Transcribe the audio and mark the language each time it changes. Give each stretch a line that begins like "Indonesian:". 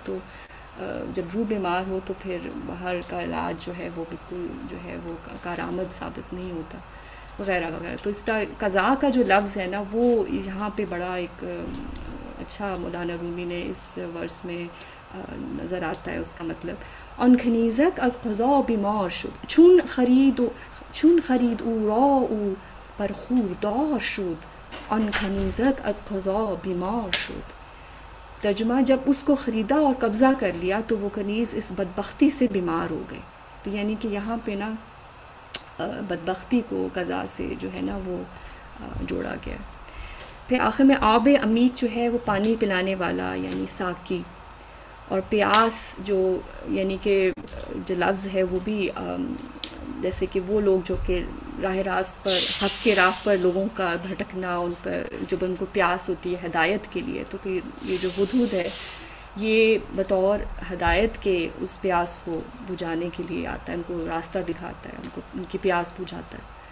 Urdu: تو جب روح بیمار ہو تو پھر باہر کا علاج جو ہے وہ بالکل جو ہے وہ کارآمد ثابت نہیں ہوتا, وغیرہ وغیرہ. تو اس کا قضاء کا جو لفظ ہے نا وہ یہاں پہ بڑا ایک اچھا مولانا رومی نے اس ورس میں نظر آتا ہے اس کا مطلب.
Persian: ان کنیزک از قضاء بیمار شد چون خرید او را او پر خوردار شد ان کنیزک از قضاء بیمار شد.
Urdu: ترجمہ, جب اس کو خریدا اور قبضہ کر لیا تو وہ کنیز اس بدبختی سے بیمار ہو گئے. تو یعنی کہ یہاں پہ نا بدبختی کو قضاء سے جو ہے نا وہ جوڑا گیا. پھر آخر میں آب امید جو ہے وہ پانی پلانے والا یعنی ساقی, اور پیاس جو یعنی کہ جو لفظ ہے وہ بھی جیسے کہ وہ لوگ جو کہ راہ راست پر حق کے راہ پر لوگوں کا بھٹکنا, ان پر جب ان کو پیاس ہوتی ہے ہدایت کے لیے, تو پھر یہ جو ہدہد ہے یہ بطور ہدایت کے اس پیاس کو بجھانے کے لیے آتا ہے, ان کو راستہ دکھاتا ہے, ان کو ان کی پیاس بجھاتا ہے.